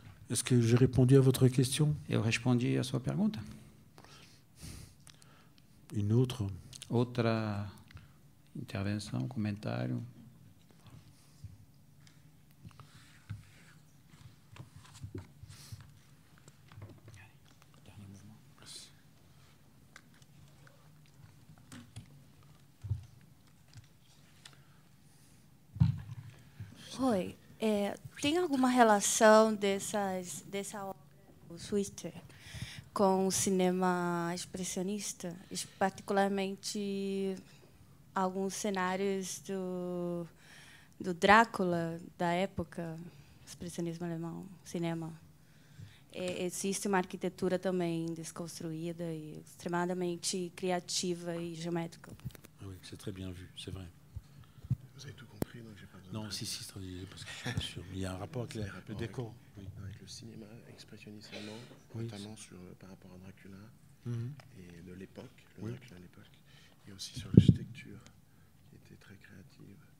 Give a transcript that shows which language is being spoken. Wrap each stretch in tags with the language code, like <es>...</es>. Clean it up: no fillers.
<fr>Est-ce que j'ai répondu à votre question?</fr> <pt>Eu respondi à sua pergunta.</pt> <fr>Une autre?</fr> <pt>Outra intervenção, commentário? Oi, tem alguma relação dessa obra, o Switzer, com o cinema expressionista, particularmente alguns cenários do Drácula da época, expressionismo alemão, cinema? Existe uma arquitetura também desconstruída e extremamente criativa e geométrica.</pt> <fr>Oui, c'est très bien vu, c'est vrai. Vous avez tout compris, donc j'ai pas besoin. Non, si, c'est parce que je suis pas sûr. Il y a un rapport avec le décor. Oui. Avec le cinéma expressionniste allemand, notamment par rapport à Dracula et de l'époque, Dracula à l'époque, et aussi sur l'architecture, qui était très créative.</fr>